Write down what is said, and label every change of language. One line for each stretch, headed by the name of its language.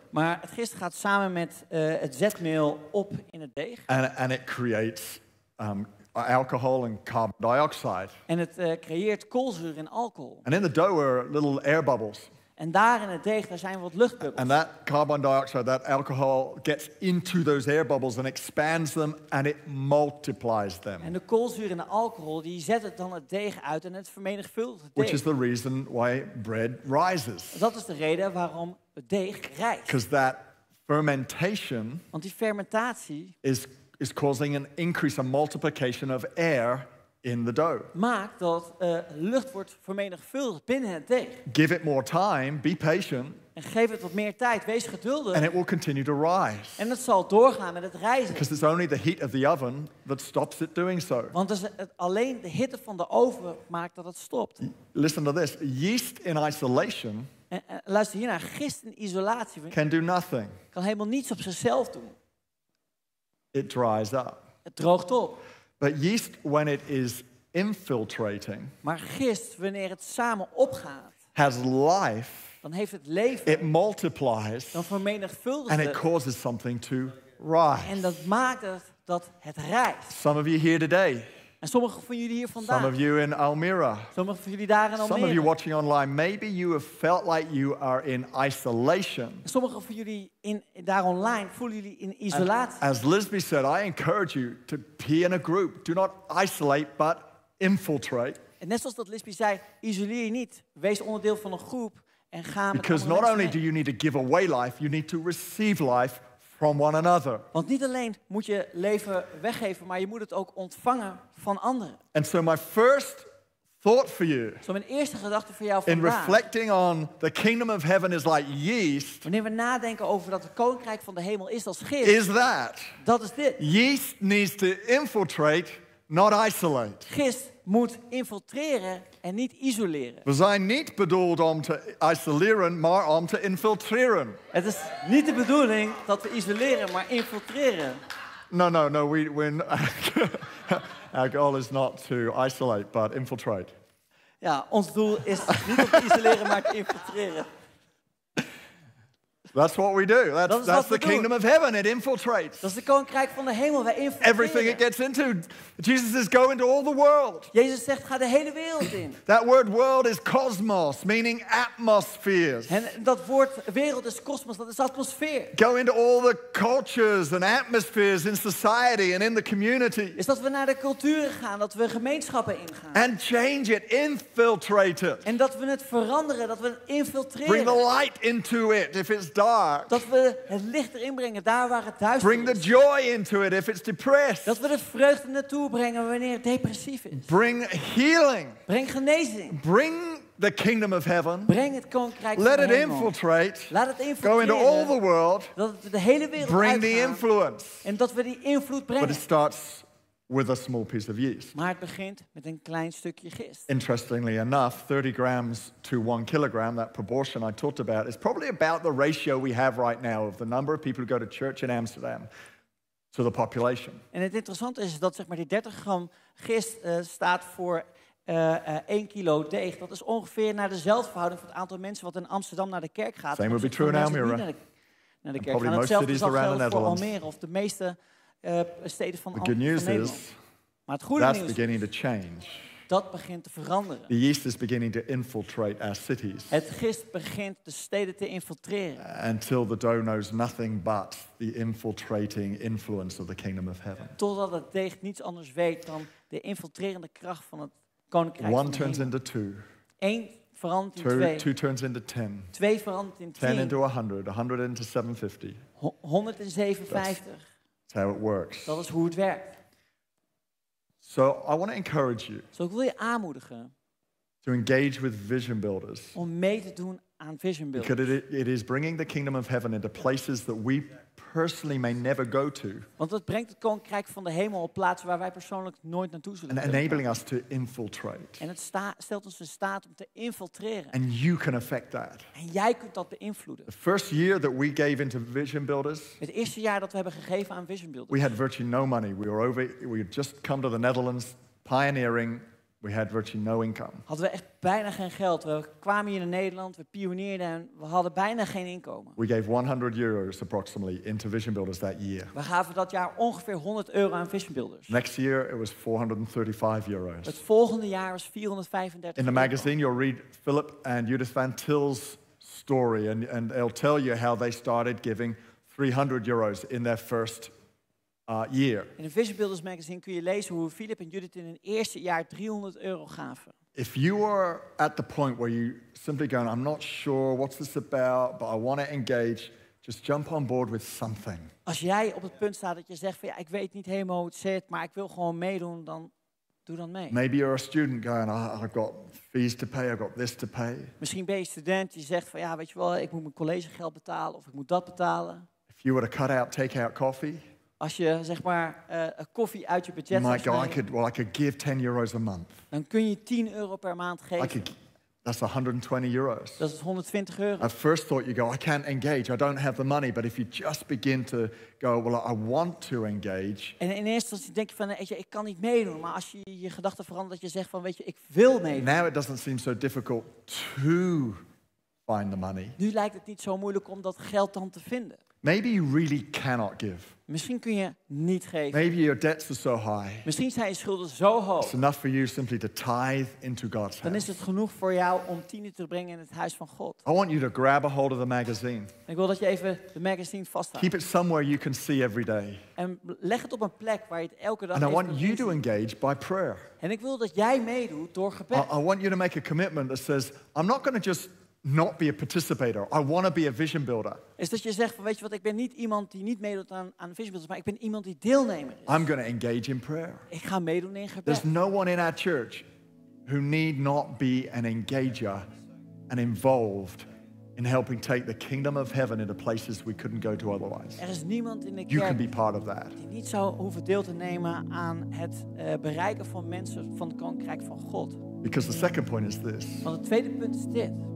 Dutch: Maar het gist gaat samen met het zetmeel op in het deeg.
English: And it creates alcohol and carbon dioxide.
Dutch: En het creëert koolzuur en alcohol.
English: And in the dough are little air bubbles.
Dutch: En daar in het deeg, daar zijn wat luchtbubbels.
English: And that carbon dioxide, that alcohol, gets into those air bubbles and expands them and it multiplies them.
Dutch: En de koolzuur en de alcohol, die zetten dan het deeg uit en het vermenigvuldigt het deeg.
English: Which is the reason why bread rises.
Dutch: Dat is de reden waarom het deeg rijst.
English: Because that fermentation.
Dutch: Want die fermentatie
English: is causing an increase, a multiplication of air in the dough.
Dutch: Maakt dat lucht wordt vermenigvuldigd binnen het deeg.
English: Give it more time, be patient.
Dutch: En geef het wat meer tijd, wees geduldig.
English: And it will continue to rise.
Dutch: En het zal doorgaan met het rijzen.
English: Because it's only the heat of the oven that stops it doing so.
Dutch: Want alleen de hitte van de oven maakt dat het stopt.
English: Listen to this. Yeast in isolation.
Dutch: Luister hiernaar, gist in isolatie.
English: Can do nothing.
Dutch: Kan helemaal niets op zichzelf doen.
English: It dries up.
Dutch: Het droogt op.
English: But yeast, when it is infiltrating,
Dutch: maar gist, wanneer het samen opgaat,
English: has life,
Dutch: dan heeft het leven,
English: it multiplies,
Dutch: dan vermenigvuldigt het,
English: and it causes something to rise.
Dutch: En dat maakt het dat het rijst.
English: Some of you here today.
Dutch: En sommige van jullie hier vandaag.
English: Some of you in Almere.
Dutch: Sommige van jullie daar in Almere.
English: Some of you watching online, maybe you have felt like you are in isolation.
Dutch: Sommige van jullie daar online voelen jullie in isolatie.
English: As Lisby said, I encourage you to be in a group. Do not isolate, but infiltrate.
Dutch: En net zoals dat Lisby zei, isoleer je niet. Wees onderdeel van een groep en ga met.
English: Because not only do you need to give away life, you need to receive life from one another.
Dutch: Want niet alleen moet je leven weggeven, maar je moet het ook ontvangen van anderen.
English: And so my first thought for you.
Dutch: Zo mijn eerste gedachte voor jou vandaag.
English: In reflecting on the kingdom of heaven is like yeast.
Dutch: Wanneer we nadenken over dat het koninkrijk van de hemel is als gist.
English: Is that?
Dutch: Dat is dit.
English: Yeast needs to infiltrate, not isolate.
Dutch: Gist moet infiltreren en niet isoleren. We zijn niet bedoeld om te isoleren, maar om te infiltreren. Het is niet de bedoeling dat we isoleren, maar infiltreren.
English: No. Our goal is not to isolate, but infiltrate.
Dutch: Ja, ons doel is niet om te isoleren, maar te infiltreren.
English: That's what we do. That's the kingdom of heaven. It infiltrates.
Dutch: Dat is het koninkrijk van de hemel. Wij infiltreren.
English: Everything it gets into. Jesus says, go into all the world.
Dutch: Jezus zegt, ga de hele wereld in.
English: That word world is cosmos, meaning atmospheres.
Dutch: En dat woord wereld is cosmos, dat is atmosfeer.
English: Go into all the cultures and atmospheres in society and in the community.
Dutch: Is dat we naar de culturen gaan, dat we gemeenschappen ingaan.
English: And change it, infiltrate it.
Dutch: En dat we het veranderen, dat we het infiltreren.
English: Bring the light into it, if it's dark.
Dutch: Dat we het licht erin brengen, daar waar het duister is.
English: Bring the joy into it, if it's depressed.
Dutch: Dat we de vreugde naartoe brengen wanneer het depressief is.
English: Bring healing.
Dutch: Bring genezing.
English: Bring the kingdom of heaven.
Dutch: Bring het koninkrijk van de hemel.
English: Let it infiltrate.
Dutch: Laat het infiltreren.
English: Go into all the world.
Dutch: Dat we de hele wereld
English: bring
Dutch: uitgaan.
English: The influence.
Dutch: En dat we die invloed brengen.
English: But it starts with a small piece of yeast.
Dutch: Maar het begint met een klein stukje gist.
English: Interestingly enough, 30 grams to 1 kilogram, that proportion I talked about, is probably about the ratio we have right now of the number of people who go to church in Amsterdam to the population.
Dutch: En het interessante is dat zeg maar die 30 gram gist staat voor 1 kilo deeg. Dat is ongeveer naar dezelfde verhouding van het aantal mensen wat in Amsterdam naar de kerk gaat.
English: Same would be true in Almere.
Dutch: Naar de kerk.
English: Probably most cities around the Netherlands.
Dutch: Almere, of de meeste steden van
English: Amsterdam. The good news is,
Dutch: maar het goede
English: that's
Dutch: nieuws
English: beginning to change.
Dutch: Dat begint te veranderen.
English: The yeast is beginning to infiltrate our cities.
Dutch: Het gist begint de steden te infiltreren.
English: Until the dough knows nothing but the infiltrating influence of the kingdom of heaven.
Dutch: Totdat het deeg niets anders weet dan de infiltrerende kracht van het koninkrijk.
English: One turns into two.
Dutch: Eén verandert in
English: two,
Dutch: twee.
English: Two turns into ten.
Dutch: Twee verandert in
English: ten
Dutch: tien.
English: Into 100. 100 into 750. 157. That's how it works.
Dutch: Dat is hoe het werkt.
English: So I want to encourage you.
Dutch: Zo ik wil je aanmoedigen.
English: To engage with vision builders.
Dutch: Om mee te doen aan vision builders.
English: Because it is bringing the kingdom of heaven into places that we personally may never go to.
Dutch: Want dat brengt het koninkrijk van de hemel op plaatsen waar wij persoonlijk nooit naartoe zullen.
English: And enabling us to infiltrate.
Dutch: En het stelt ons in staat om te infiltreren.
English: And you can affect that.
Dutch: En jij kunt dat beïnvloeden.
English: The first year that we gave into vision builders.
Dutch: Het eerste jaar dat we hebben gegeven aan vision builders.
English: We had virtually no money. We had just come to the Netherlands pioneering. We had virtually no income.
Dutch: Hadden we echt bijna geen geld. We kwamen hier in Nederland, we pionierden en we hadden bijna geen inkomen.
English: We gave 100 euros approximately into vision builders that year.
Dutch: We gaven dat jaar ongeveer 100 euro aan vision builders.
English: Next year it was 435 euros.
Dutch: Het volgende jaar was 435 euro.
English: In the magazine you'll read Philip and Judith Van Til's story and they'll tell you how they started giving 300 euros in their first year.
Dutch: In de Vision Builders magazine kun je lezen hoe Philip en Judith in hun eerste jaar 300 euro gaven.
English: If you are at the point where you simply going, I'm not sure what's this about, but I want to engage, just jump on board with something.
Dutch: Als jij op het punt staat dat je zegt van ja, ik weet niet helemaal hoe het zit, maar ik wil gewoon meedoen, dan doe dan mee.
English: Maybe you're a student going, I've got fees to pay, I've got this to pay.
Dutch: Misschien ben je student die zegt van ja, weet je wel, ik moet mijn collegegeld betalen of ik moet dat betalen.
English: If you were to cut out take out coffee.
Dutch: Als je zeg maar koffie uit je budget hebt.
English: I could give 10 euros a month.
Dutch: Dan kun je 10 euro per maand geven.
English: That's 120 euros.
Dutch: Dat is 120 euro.
English: At first thought you go, I can't engage, I don't have the money. But if you just begin to go, well, I want to engage.
Dutch: En in eerste instantie denk je van, ik kan niet meedoen. Maar als je je gedachten verandert, dat je zegt van, weet je, ik wil meedoen.
English: Now it doesn't seem so difficult to find the money.
Dutch: Nu lijkt het niet zo moeilijk om dat geld dan te vinden.
English: Maybe you really cannot give.
Dutch: Misschien kun je niet geven.
English: Maybe your debts are so high.
Dutch: Misschien zijn je schulden zo hoog.
English: It's enough for you simply to tithe into God's house.
Dutch: Dan is het genoeg voor jou om tienden te brengen in het huis van God.
English: I want you to grab a hold of the magazine.
Dutch: Ik wil dat je even de magazine vasthoudt.
English: Keep it somewhere you can see every day.
Dutch: En leg het op een plek waar je het elke dag.
English: And I want you to engage by prayer.
Dutch: En ik wil dat jij meedoet door gebed.
English: I want you to make a commitment that says, I'm not going to just not be a participator. I want to be a vision builder.
Dutch: Is dat je zegt van weet je wat, ik ben niet iemand die niet meedoet aan vision builders, maar ik ben iemand die deelnemer is.
English: I'm going to engage in prayer.
Dutch: Ik ga meedoen in gebed.
English: There's no one in our church who need not be an engager and involved in helping take the kingdom of heaven into places we couldn't go to otherwise.
Dutch: Er is niemand in de kerk.
English: You can be part of that.
Dutch: Die niet zou hoeven deel te nemen aan het bereiken van mensen van het koninkrijk van God.
English: Because the second point is this.
Dutch: Want het tweede punt is dit.